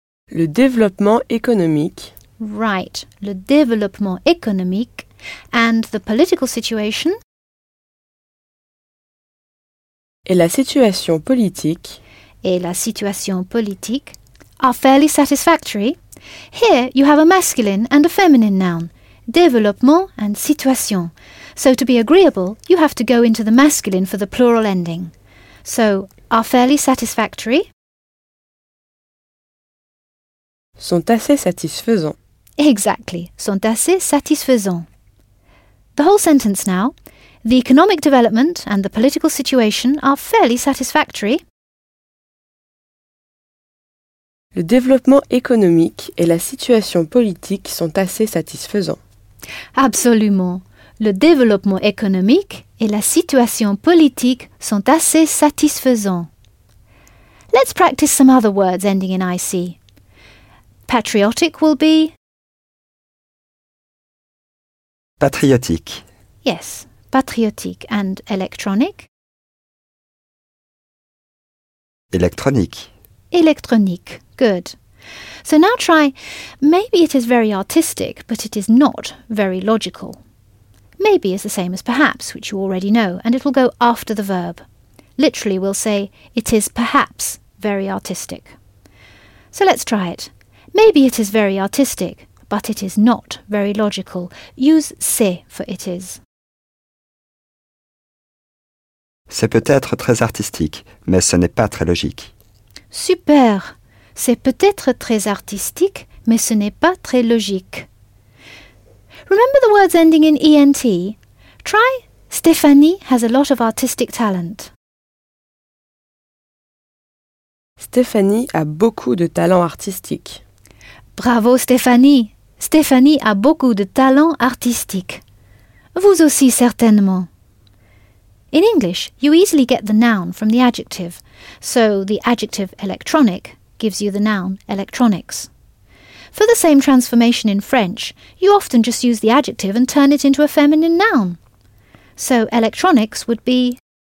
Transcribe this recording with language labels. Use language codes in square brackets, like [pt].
[fr] Le développement économique. Right, le développement économique. [en] And the political situation. [fr] Et la situation politique. Et la situation politique [en] are fairly satisfactory. Here you have a masculine and a feminine noun, développement and situation. So to be agreeable, you have to go into the masculine for the plural ending. So, are fairly satisfactory? [fr] Sont assez satisfaisants. Exactly, sont assez satisfaisants. [en] The whole sentence now. The economic development and the political situation are fairly satisfactory. [fr] Le développement économique et la situation politique sont assez satisfaisants. Absolument. Le développement économique et la situation politique sont assez satisfaisants. [en] Let's practice some other words ending in IC. Patriotic will be... Patriotic. Yes, patriotic. And electronic? Electronic. Electronic. Good. So now try, maybe it is very artistic, but it is not very logical. Maybe is the same as perhaps, which you already know, and it will go after the verb. Literally, we'll say, it is perhaps very artistic. So let's try it. Maybe it is very artistic, but it is not very logical. Use c'est for it is. [fr] C'est peut-être très artistique, mais ce n'est pas très logique. Super! C'est peut-être très artistique, mais ce n'est pas très logique. [en] Remember the words ending in ENT? Try Stéphanie has a lot of artistic talent. [fr] Stéphanie a beaucoup de talent artistique. Bravo Stéphanie! Stéphanie a beaucoup de talent artistique. Vous aussi certainement. [en] In English, you easily get the noun from the adjective, so the adjective electronic gives you the noun electronics. For the same transformation in French, you often just use the adjective and turn it into a feminine noun. So electronics would be...